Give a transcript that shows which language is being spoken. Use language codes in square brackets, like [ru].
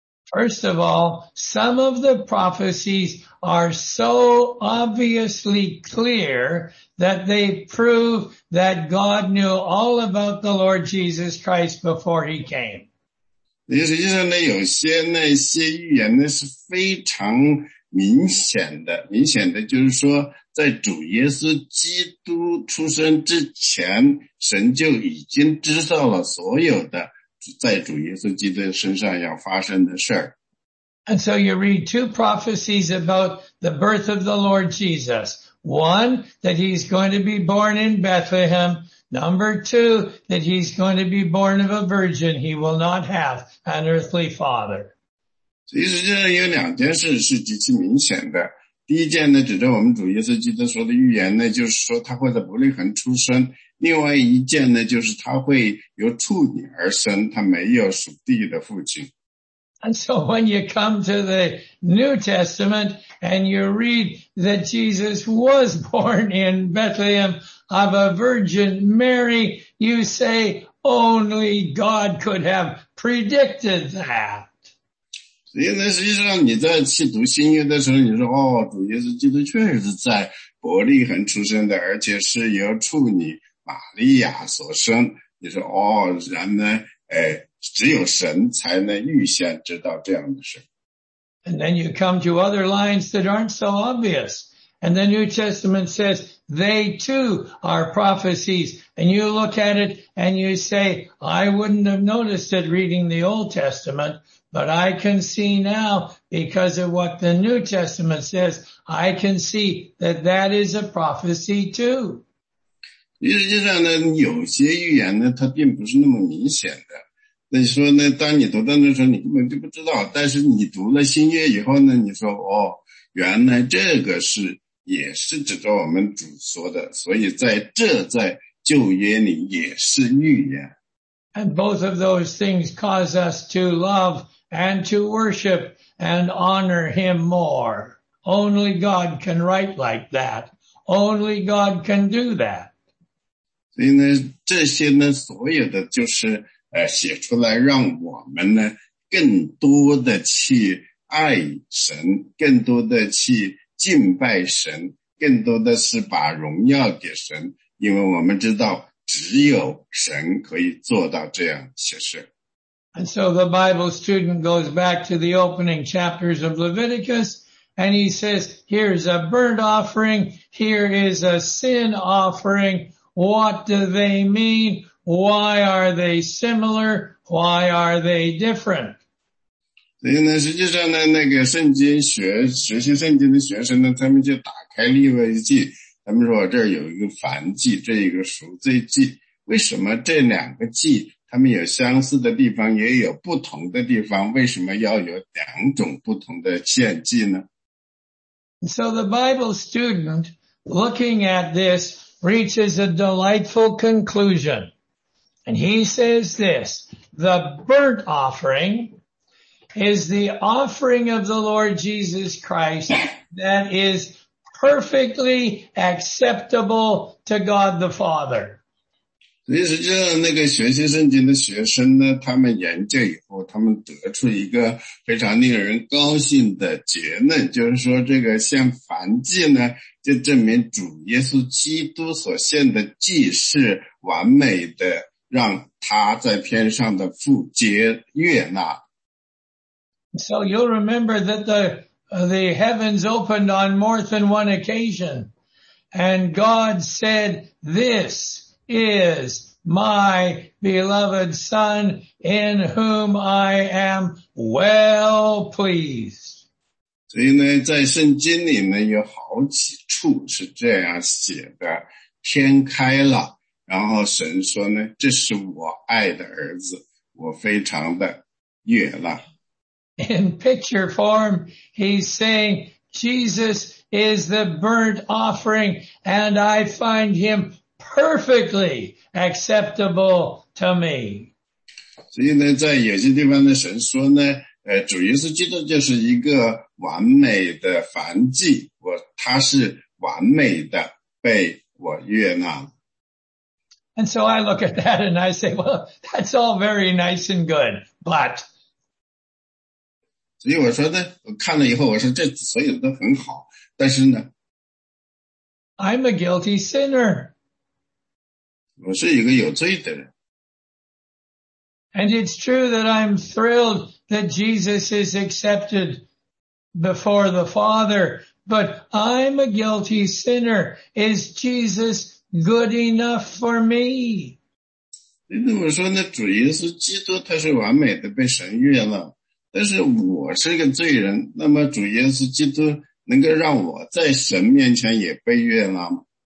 [en] First of all, some of the prophecies are so obviously clear that they prove that God knew all about the Lord Jesus Christ before he came. [zh] 实际上呢，有些那些预言呢是非常明显的，明显的就是说在主耶稣基督出生之前，神就已经知道了所有的在主耶稣基督身上要发生的事。 [en] And so you read two prophecies about the birth of the Lord Jesus. One, that he's going to be born in Bethlehem. Number two, that he's going to be born of a virgin. He will not have an earthly father. [zh] 其实这有两件事是极其明显的。第一件呢，指着我们主耶稣基督说的预言呢，就是说他会在伯利恒出生。另外一件呢，就是他会由处女而生，他没有属地的父亲。 [en] And so when you come to the New Testament and you read that Jesus was born in Bethlehem of a virgin Mary, you say only God could have predicted that. [zh] 所以呢，实际上你在去读新约的时候，你说哦，主耶稣基督确实是在伯利恒出生的，而且是由处女玛利亚所生。你说哦，然呢，只有神才能预先知道这样的事。 [en] And then you come to other lines that aren't so obvious. And the New Testament says they too are prophecies. And you look at it and you say, I wouldn't have noticed it reading the Old Testament. But I can see now, because of what the New Testament says, I can see that that is a prophecy too. [zh] 实际上呢，有些预言呢，它并不是那么明显的。那你说呢，当你读到那时候，你根本就不知道。但是你读了新约以后呢，你说哦，原来这个是也是指着我们主说的。所以在这在旧约里也是预言。 [en] And both of those things cause us to love and to worship and honor him more. Only God can write like that. Only God can do that. [zh] 所以呢，这些呢，所有的就是写出来让我们呢更多的去爱神，更多的去敬拜神，更多的是把荣耀给神，因为我们知道只有神可以做到这样些事。 [en] And so the Bible student goes back to the opening chapters of Leviticus and he says, here's a burnt offering, here is a sin offering. What do they mean? Why are they similar? Why are they different? [zh] 所以呢，实际上呢，那个圣经学习圣经的学生呢，他们就打开利未记，他们说这儿有一个燔祭，这一个赎罪祭，为什么这两个祭他们有相似的地方，也有不同的地方，为什么要有两种不同的献祭呢？ [en] So the Bible student looking at this reaches a delightful conclusion. And he says this, the burnt offering is the offering of the Lord Jesus Christ that is perfectly acceptable to God the Father. [zh] 所以实际上那个学习圣经的学生呢，他们研究以后他们得出一个非常令人高兴的结论，就是说这个献燔祭呢，就证明主耶稣基督所献的祭是完美的，让他在天上的父接悦纳。 [en] So you'll remember that the heavens opened on more than one occasion, and God said, "This is my beloved Son in whom I am well pleased." [zh] 所以呢，在圣经里呢，有好几处是这样写的：天开了，然后神说呢，这是我爱的儿子，我非常的悦纳。 [en] In picture form, he's saying, Jesus is the burnt offering, and I find him perfectly acceptable to me. [zh] 所以呢，在有些地方的神说呢，主耶稣基督就是一个完美的燔祭，他是完美的被我悦纳。 [en] And so I look at that and I say, well, that's all very nice and good, but... [zh] 所以我说呢，我看了以后我说这所有都很好，但是呢 [en] I'm a guilty sinner. [zh] 我是一个有罪的人。 [en] And it's true that I'm thrilled that Jesus is accepted before the Father, but I'm a guilty sinner. Is Jesus good enough for me? [zh] 所以我说呢，主耶稣基督他是完美的被神悦纳。但是我是个罪人，那么主耶稣基督能够让我在神面前也被悦纳吗？